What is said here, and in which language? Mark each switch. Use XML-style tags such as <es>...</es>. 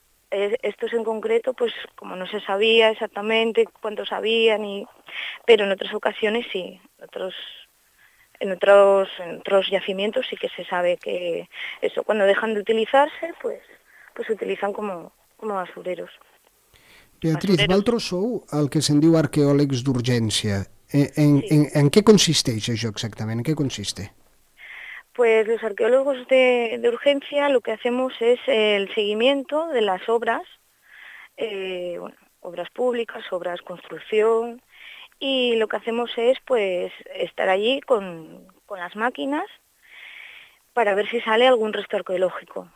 <es>Estos en concreto, pues como no se sabía exactamente cuántos habían, pero en otras ocasiones sí, en otros yacimientos sí que se sabe que eso, cuando dejan de utilizarse, pues se utilizan como basureros.</es> <ca>Beatriz, vosaltres sou el que se'n diu arqueòlegs d'urgència. En què consisteix això exactament?</ca> <es>En què consiste? Pues los arqueólogos de urgencia lo que hacemos es el seguimiento de las obras, bueno, obras públicas, obras construcción, y lo que hacemos es pues estar allí con las máquinas para ver si sale algún resto arqueológico.</es>